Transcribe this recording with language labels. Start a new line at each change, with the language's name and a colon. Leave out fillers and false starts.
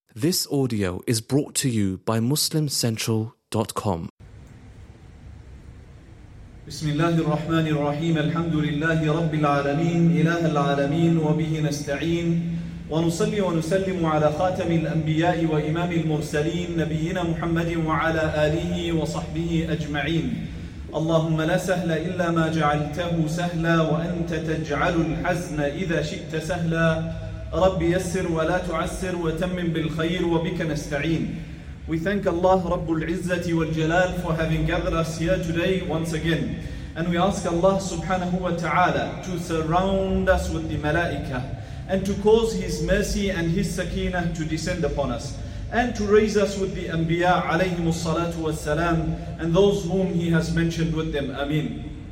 English: This audio is brought to you by MuslimCentral.com.
Arabic: بسم الله الرحمن الرحيم الحمد لله رب العالمين إله العالمين وبه نستعين ونصلي ونسلم على خاتم الأنبياء وإمام المرسلين نبينا محمد وعلى آله وصحبه أجمعين. اللهم لا سهل إلا ما جعلته سهلا وأنت تجعل الحزن إذا شئت سهلا. ربي يسر ولا تعسر وتمم بالخير وبك نستعين.
English: We thank Allah Rabbul Izzati wal Jalal for having gathered us here today once again. And we ask Allah subhanahu wa ta'ala to surround us with the malaika and to cause His mercy and His sakinah to descend upon us and to raise us with the anbiya alayhimu salatu wa salam and those whom He has mentioned with them. Ameen.